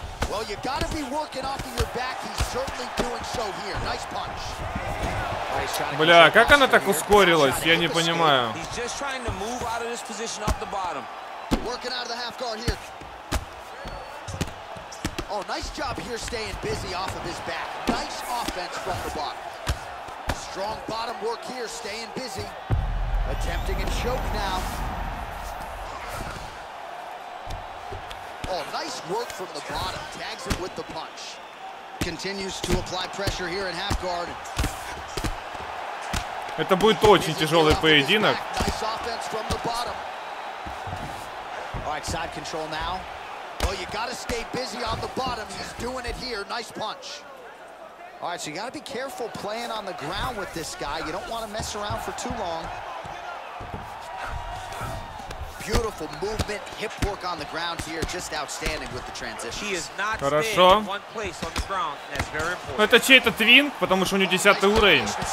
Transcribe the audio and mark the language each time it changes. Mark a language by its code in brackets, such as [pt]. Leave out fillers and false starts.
[en] Well, you gotta be working off of your back. He's certainly doing so here. Nice punch. [ru] Бля, как она так ускорилась? Я не понимаю. [en] He's just trying to move out of this position up the bottom. Working out of the half guard here. Oh, nice job here staying busy off of his back. Nice offense from the block. Strong bottom work here, staying busy. Attempting a choke now. Oh, nice work from the bottom. Tags him with the punch. Continues to apply pressure here in half guard. [ru] Это будет очень тяжелый поединок. [en] Nice offense from the bottom. All right, side control now. Well, you gotta stay busy on the bottom. He's doing it here. Nice punch. All right, so you gotta be careful playing on the ground with this guy. You don't want to mess around for too long. Beautiful movement, hip work on the ground here, just outstanding with the transition. He is not staying in one place on the ground, and that's very important. [ru] Это чей-то твин, потому что у него 10 уровень.